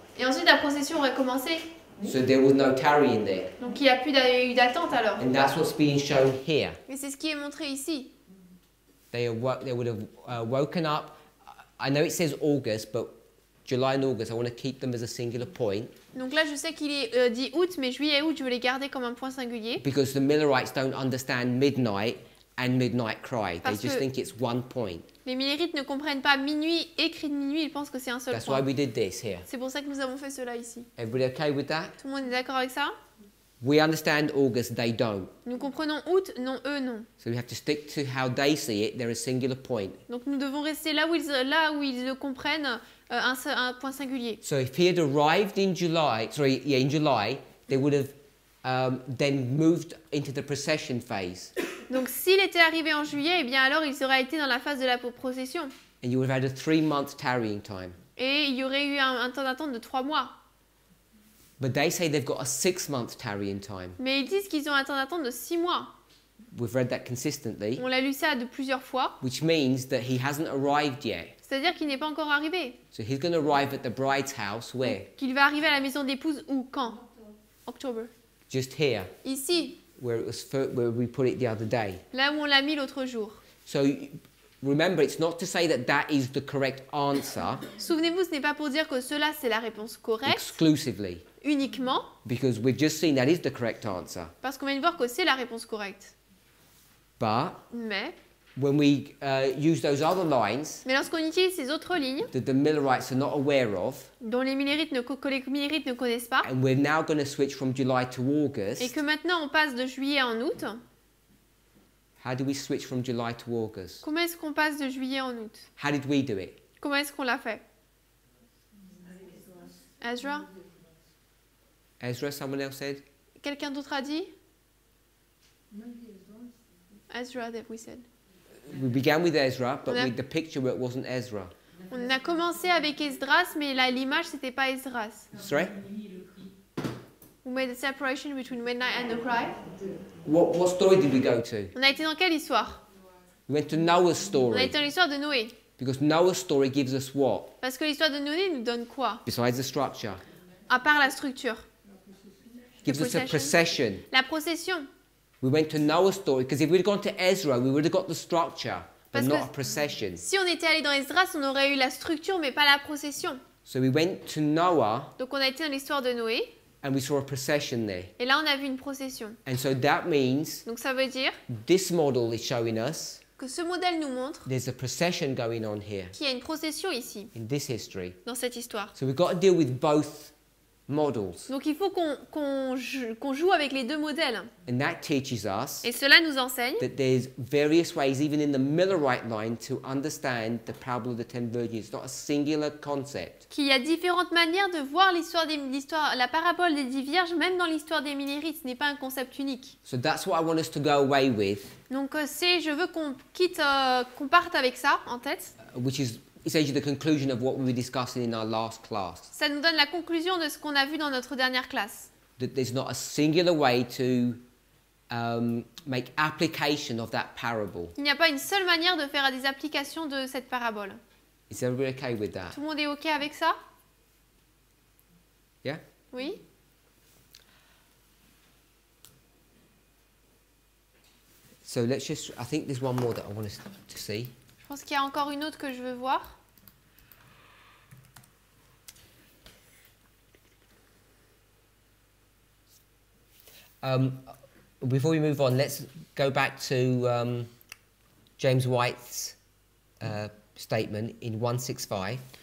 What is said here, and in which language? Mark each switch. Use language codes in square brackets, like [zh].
[fr] Et ensuite la procession aurait commencé. [en] So there was no tarrying there. [fr] Donc il n'y a plus d'attente alors. [en] And that's what's being shown here. [fr] Mais c'est ce qui est montré ici. [en] They would have woken up. I know it says August, but July and August, I want to keep them as a singular point. [fr] Donc là, je sais qu'il est dit août, mais juillet et août, je veux les garder comme un point singulier. [en] Because the Millerites don't understand midnight and midnight cry. [fr] Parce [en] they just think it's one point. [fr] Les Millerites ne comprennent pas minuit et cri de minuit. Ils pensent que c'est un seul [en] That's [fr] point. [en] That's why we did this here. [fr] C'est pour ça que nous avons fait cela ici. [en] Everybody okay with that? [fr] Tout le monde est d'accord avec ça? [en] We understand August, they don't. [fr] Nous comprenons août, non eux non. [en] So we have to stick to how they see it. They're a singular point. [fr] Donc nous devons rester là où ils le comprennent. Un point singulier. [en] So if he had arrived in July, they would have then moved into the procession phase. [fr] Donc s'il était arrivé en juillet, eh bien alors il aurait été dans la phase de la procession. [en] And you would have had a 3 month tarrying time. [fr] Et il y aurait eu un temps d'attente de 3 mois. [en] But they say they've got a 6 month tarrying time. [fr] Mais ils disent qu'ils ont un temps d'attente de 6 mois. [en] We've read that consistently. [fr] On l'a lu ça de plusieurs fois. [en] Which means that he hasn't arrived yet. [fr] C'est-à-dire qu'il n'est pas encore arrivé. [en] So he's going to arrive at the bride's house where? [fr] Qu'il va arriver à la maison d'épouse où, quand? [en] October. Just here. [fr] Ici. [en] Where it was where we put it the other day. [fr] Là où on l'a mis l'autre jour. [en] So remember, it's not to say that that is the correct answer. [fr] Souvenez-vous, ce n'est pas pour dire que cela c'est la réponse correcte. [en] Exclusively. [fr] Uniquement. [en] Because we've just seen that is the correct answer. [fr] Parce qu'on vient de voir que c'est la réponse correcte. [en] But. [fr] Mais. [en] When we use those other lines, [fr] mais lorsqu'on utilise ces autres lignes, [en] that the Millerites are not aware of, [fr] dont les Millerites ne connaissent pas, [en] and we're now going to switch from July to August, [fr] et que maintenant on passe de juillet en août, [en] how do we switch from July to August? [fr] Comment est-ce qu'on passe de juillet en août? [en] How did we do it? [fr] Comment est-ce qu'on l'a fait? [en] Ezra. Ezra, someone else said. [fr] Quelqu'un d'autre a dit? [en] Ezra, that we said. We began with Ezra, but with the picture, it wasn't Ezra. [fr] On a commencé avec Esdras, mais là, l'image, c'était pas Esdras. [en] Sorry? We made a separation between midnight and the cry. What story did we go to? [fr] On a été dans quelle histoire? [en] We went to Noah's story. [fr] On a été dans l'histoire de Noé. [en] Because Noah's story gives us what? [fr] Parce que l'histoire de Noé nous donne quoi? [en] Besides the structure. [fr] À part la structure. [en] Gives us a procession. [fr] La procession. [en] We went to Noah's story because if we'd gone to Ezra, we would have got the structure, but not a procession. [fr] Si on était allé dans Esdras, on aurait eu la structure, mais pas la procession. [en] So we went to Noah. [fr] Donc on a été dans l'histoire de Noé. [en] And we saw a procession there. [fr] Et là, on a vu une procession. [en] And so that means. [fr] Donc ça veut dire. [en] This model is showing us. [fr] que ce modèle nous montre. [en] There's a procession going on here. [fr] Qu'il y a une procession ici. [en] In this history. [fr] Dans cette histoire. [en] So we've got to deal with both models. [fr] Donc il faut qu'on joue avec les deux modèles. [en] And that teaches us. [fr] Et cela nous enseigne. [en] That there's various ways, even in the Millerite line, to understand the parable of the ten virgins. It's not a singular concept. [fr] Qu'il y a différentes manières de voir la parabole des dix vierges, même dans l'histoire des Millerites, ce n'est pas un concept unique. [en] So that's what I want us to go away with. [fr] Donc je veux qu'on parte avec ça en tête. [en] Which is essentially the conclusion of what we were discussing in our last class. [fr] Ça nous donne la conclusion de ce qu'on a vu dans notre dernière classe. [en] That there's not a singular way to make application of that parable. [fr] Il n'y a pas une seule manière de faire des applications de cette parabole. [en] Is everybody okay with that? [fr] Tout le monde est OK avec ça? [en] Yeah? [fr] Oui. [en] So let's just, I think there's one more that I want to see. [fr] Je pense qu'il y a encore une autre que je veux voir. [en] Before we move on, let's go back to James White's statement in 165.